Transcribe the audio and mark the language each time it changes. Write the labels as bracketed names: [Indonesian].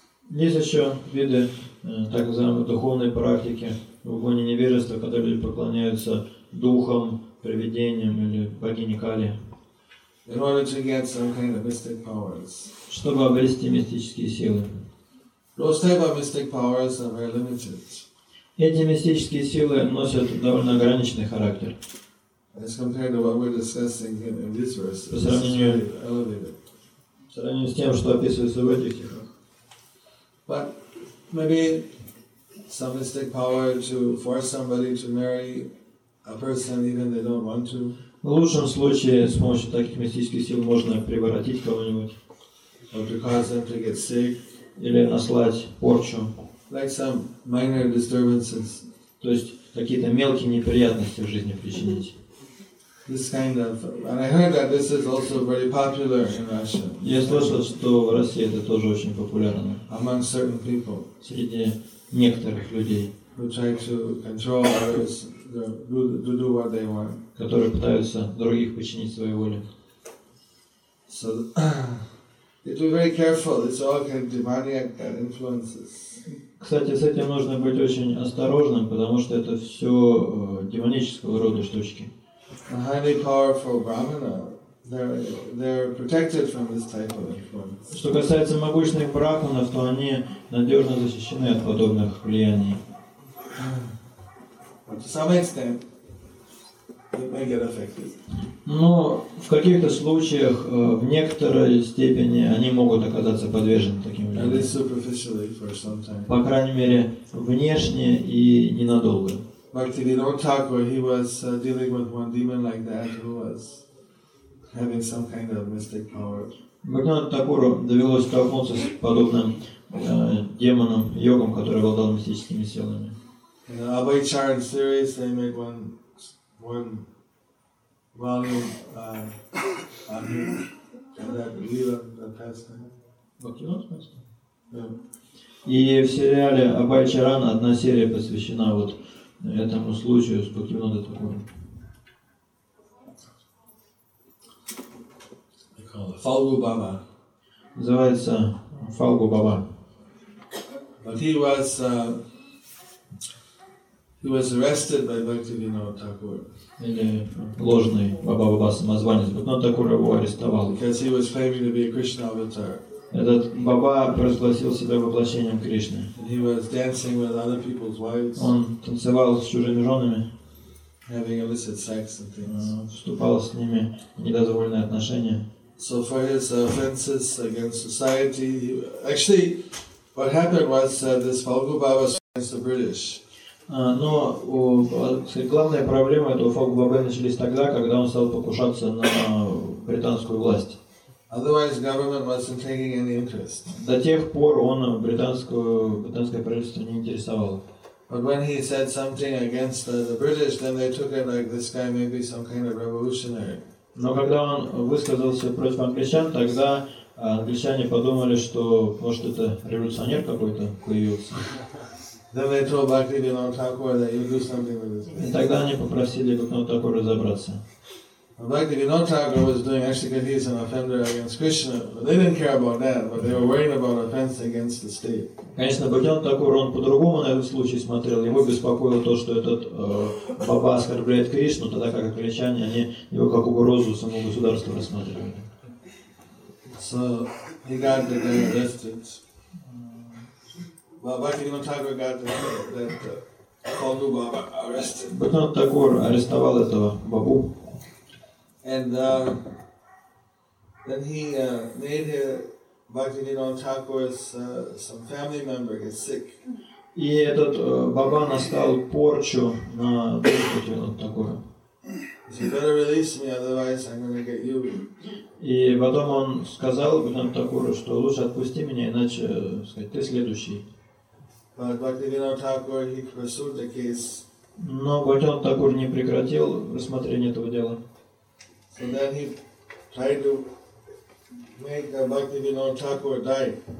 [Russian] Есть еще виды так называемой духовной практики в гуне невежества, когда люди поклоняются духам, привидениям или богине Кали. [English] In order to get some kind of mystic powers. [Russian] Чтобы обрести мистические силы. [English] Those type of mystic powers are very limited. [Russian] Эти мистические силы носят довольно ограниченный характер. [English] As compared to what we're discussing in this verse, [Russian] по сравнению, с тем, что описывается в этих стихах. [English] But maybe some mystic power to force somebody to marry a person even they don't want to. [Russian] В лучшем случае с помощью таких мистических сил можно приворотить кого-нибудь. [English] Or to cause them to get sick. [Russian] или наслать порчу. [English] Like some minor disturbances. [Russian] То есть какие-то мелкие неприятности в жизни причинить. [English] This kind of, and I heard that this is also very popular in Russia. [Russian] Я слышал, что в России это тоже очень популярно. [English] Among certain people. [Russian] Среди некоторых людей. [English] Who try to control others, to do what they want. [Russian] Которые пытаются других подчинить своей воле. [English] So, you have to be very careful. It's all kind of demoniac that influences. [Russian] Кстати, с этим нужно быть очень осторожным, потому что это все демонического рода штучки. [English] A highly powerful brahmana, they're protected from this type of influence. [Russian] Что касается могущественных брахманов, то они надежно защищены от подобных влияний. [English] But to some extent, they may get affected. [Russian] Но в каких-то случаях, в некоторой степени, они могут оказаться подвержены таким влияниям. [English] At least superficially for some time. [Russian] По крайней мере, внешне и ненадолго. [English] Bhaktivinoda Thakur, he was dealing with one demon like that who was having some kind of mystic power. [Russian] Bhaktivinoda Thakur довелось столкнуться с подобным демоном, йогом, который обладал мистическими силами. [English] In the Abhaycharan series, they make one volume on that lila, the pastime. Bhaktivinoda Thakur? [Russian] Yeah. И в сериале Abhaycharan одна серия посвящена вот этому случаю с Бхактивинодой Такур. Фалгу Баба. Называется Фалгу Баба. [English] But he was arrested by Bhaktivinoda Thakur. [Russian] Или ложный Баба Баба самозванец. Бхактивинода Такур его арестовал. [English] Because he was claiming to be a Krishna avatar. [Russian] Этот Баба провозгласил себя воплощением Кришны. [English] He was dancing with other people's wives, [Russian] он танцевал с чужими женами, [English] having illicit sex and things. [Russian] Вступал с ними в недозволенные отношения. [English] So for his offenses against society, actually, what happened was this Фалгу Баба was against the British. [Russian] Но главная проблема этого Фалгу Бабы началась тогда, когда он стал покушаться на британскую власть. [English] Otherwise, government wasn't taking any interest. [Russian] До тех пор он британское правительство не интересовало. [English] But when he said something against the British, then they took it like this guy may be some kind of revolutionary. [Russian] Но когда он высказался против англичан, тогда англичане подумали, что может это революционер какой-то появился. [English] Then they told Bhaktivinoda Thakur that you do something with this. [Russian] И тогда они попросили Бхактивинода Такур разобраться. [English] Bhaktivinoda Thakur was doing actually because he is an offender against Krishna. But they didn't care about that, but they were worried about offense against the state. [Russian] Конечно, Бхактивинода Такур он по-другому на этот случай смотрел. Его беспокоило то, что этот баба оскорбляет Кришну, тогда как англичане они его как угрозу самому государству рассматривали. [English] So he got the arrested. Well, Bhaktivinoda Thakur got Fondu Baba arrested. [Russian] Бхактивинода Такур арестовал этого бабу. [English] And then he made Bhaktivinoda Thakur's some family member get sick. [Russian] И этот баба настал порчу на Бхактивинода Такура. [English] You better release me, otherwise I'm gonna get you. [Russian] И потом он сказал Бхактивинода Такуру, что лучше отпусти меня, иначе, сказать, ты следующий. [English] But Bhaktivinoda Thakur he pursued the case. [Russian] Но Бхактивинода Такур не прекратил рассмотрение этого дела. [English] So then he tried to make Bhaktivinoda Thakur die.